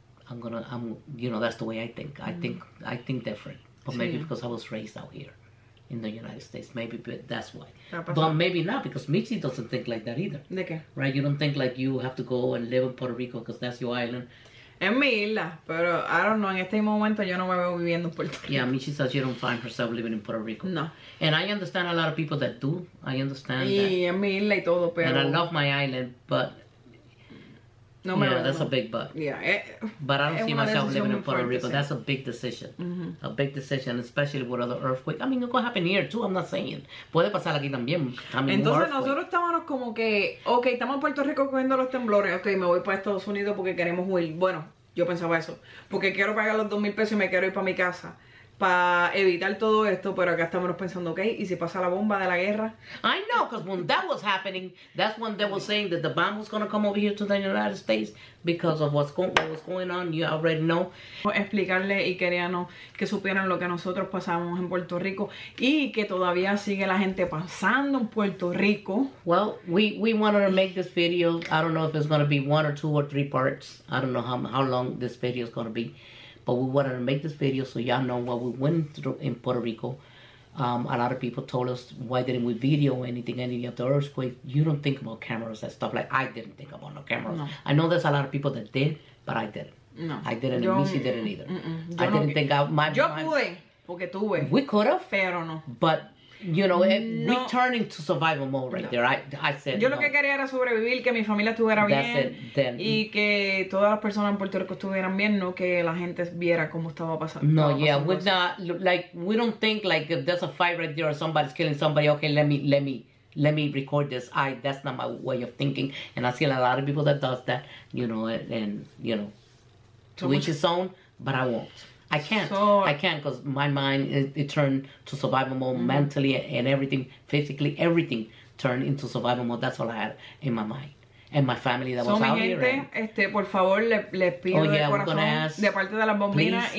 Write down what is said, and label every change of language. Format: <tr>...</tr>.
<en>I'm you know, that's the way I think. I think different. But maybe because I was raised out here in the United States. Maybe that's why. But maybe not, because Michi doesn't think like that either.</en> <es>¿De qué?</es> <en>Right? You don't think like you have to go and live in Puerto Rico because that's your island.</en> <es>Es mi isla, pero</es> <en>I don't know,</en> <es>en este momento yo no me veo viviendo en Puerto Rico.</es> <en>Yeah, Michi says you don't find herself living in Puerto Rico.</en> <es>No.</es> <en>And I understand a lot of people that do. I understand</en> <es>y</es> <en>that.</en> <es>Y es mi isla y todo, pero...</es> <en>And I love my island, but...</en> <es>No me</es> <en>yeah,</en> <es>veo.</es> <en>That's a big but. Yeah. But I don't see myself living in Puerto Rico. That's a big decision. Mm-hmm. A big decision, especially with other earthquakes. I mean, it could happen here too, I'm not saying.</en> <es>Puede pasar aquí también. Entonces nosotros estábamos como que, ok, estamos en Puerto Rico cogiendo los temblores. Ok, me voy para Estados Unidos porque queremos huir. Bueno, yo pensaba eso. Porque quiero pagar los 2,000 pesos y me quiero ir para mi casa. Para evitar todo esto, pero acá estamos pensando, okay, ¿y si pasa la bomba de la guerra?</es> <en>I know, because when that was happening, that's when they were saying that the bomb was going to come over here to the United States because of what was going on, you already know.</en> <es>Explicarle y queríamos que supieran lo que nosotros pasamos en Puerto Rico y que todavía sigue la gente pasando en Puerto Rico.</es> <en>Well, we wanted to make this video. I don't know if it's going to be one or two or three parts. I don't know how long this video is going to be. But we wanted to make this video so y'all know what we went through in Puerto Rico. A lot of people told us, why didn't we video anything, any of the earthquake? You don't think about cameras and stuff. Like, I didn't think about no cameras. No. I know there's a lot of people that did, but I didn't. No. I didn't, and Missy didn't either. Mm-mm. I didn't think out my mind.</en> <es>Porque tuve.</es> <en>We could have.</en> <es>Pero no.</es> <en>But, you know, no. We turned into survival mode right there. I said</en> <es>yo no. Lo que quería era sobrevivir, que mi familia estuviera bien.</es> <en>That's it. Then,</en> <es>y que todas las personas en Puerto Rico estuvieran bien, no que la gente viera cómo estaba pasando.</es> <en>No, yeah, we're not, like, we don't think, like, if there's a fight right there or somebody's killing somebody, okay, let me record this. That's not my way of thinking. And I see a lot of people that does that, you know, and, you know, to each his own, but I won't. I can't, because my mind, it turned to survival mode mentally and everything, physically, everything turned into survival mode. That's all I had in my mind. And my family that was out</en> <es>gente,</es> <en>here.</en> <es>So, mi gente, por favor, les pido</es> <en>oh, yeah,</en> <es>de corazón,</es> <en>ask,</en> <es>de parte de las bombinas</es>